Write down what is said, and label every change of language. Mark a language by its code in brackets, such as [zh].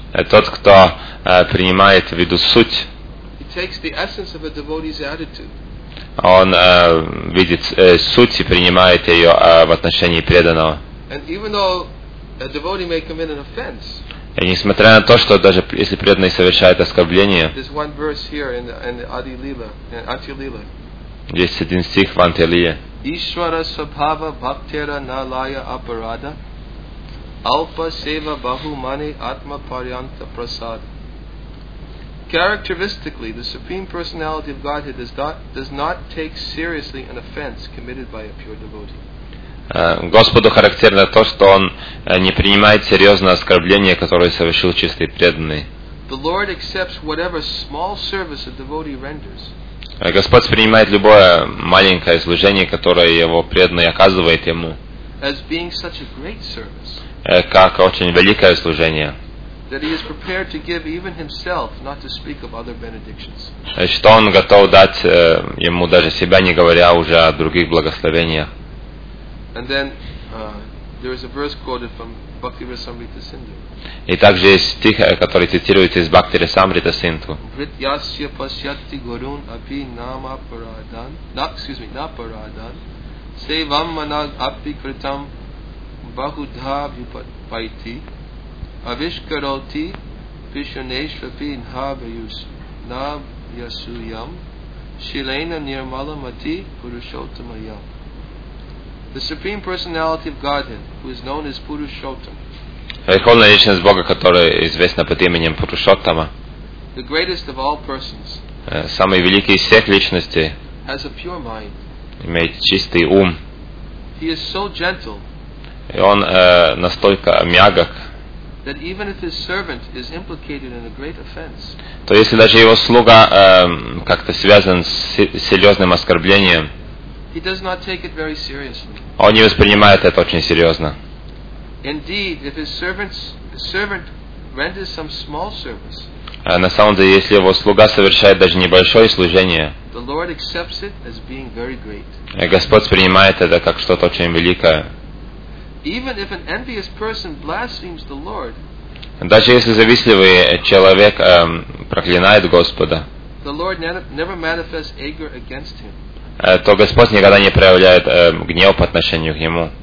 [ru] Тот, кто принимает в виду суть. [en] Takes the essence of a devotee's attitude. [ru] Он видит суть и принимает ее в отношении преданного. [en] And even though a devotee may commit an offense. [ru] И несмотря на то, что даже если преданный совершает оскорбление. [en] There's one verse here in the Adi Lila, in Anti Lila. [ru] Есть один стих в Анти Лиле. [sa] Ishvara svabhava bhaktera nalaya aparada alpa seva bahumani atma paryanta prasad. [en] Characteristically, the Supreme Personality of Godhead does not take seriously an offense committed by a pure devotee. [ru] Господу характерно то, что он не принимает серьезно оскорбление, которое совершил чистый преданный. [en] The Lord accepts whatever small service a devotee renders. [ru] Господь принимает любое маленькое служение, которое его преданный оказывает ему. [en] As being such a great service. [ru] Как очень великое служение. [en] That he is prepared to give even himself, not to speak of other benedictions. [ru] Что он готов дать ему даже себя, не говоря уже о других благословениях. [en] And then there is a verse quoted from Bhakti Rasamrita Sindhu. [ru] И также есть стих, который цитируется из Бхакти Расамрита Синдху. [sa] Vrityasya pasyati gurun api naparadan sevam manag api kritam bahudha vipaiti. Avishkaroti Vishaneshvapi Nhavayus Navyasuyam Shilena Nirmalamati Purushottamayam. [en] The Supreme Personality of Godhead, who is known as Purushottam. [ru] Верховная личность Бога, которая известна под именем Пурушоттама. [en] The greatest of all persons. [ru] Самый великий из всех личностей. [en] Has a pure mind. [ru] Имеет чистый ум. [en] He is so gentle. [ru] И он настолько мягок. [en] That even if his servant is implicated in a great offense, [ru] то если даже его слуга как-то связан с серьезным оскорблением, [en] he does not take it very seriously. [ru] Он не воспринимает это очень серьезно. [en] Indeed, if his servant renders some small service, [ru] на самом деле, если его слуга совершает даже небольшое служение, [en] the Lord accepts it as being very great. [ru] Господь принимает это как что-то очень великое. [en] Even if an envious person blasphemes the Lord, [ru] даже если завистливый человек проклинает Господа, [en] the Lord never manifests anger against him. [ru] То Господь никогда не проявляет гнев по отношению к нему.